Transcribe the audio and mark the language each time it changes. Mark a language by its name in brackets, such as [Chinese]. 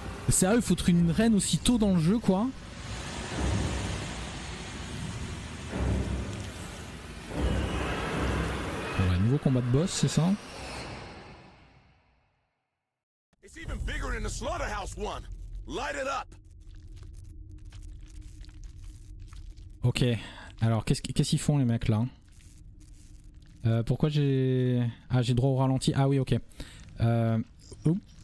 [French] Sérieux, foutre une reine aussi tôt dans le jeu, quoi? Ouais, nouveau combat de boss, c'est ça? [English] It's even bigger than the slaughterhouse one. Light it up. [French] Ok, alors qu'est-ce qu'ils font les mecs là? Pourquoi j'ai... Ah, j'ai droit au ralenti. Ah oui, ok. Oups.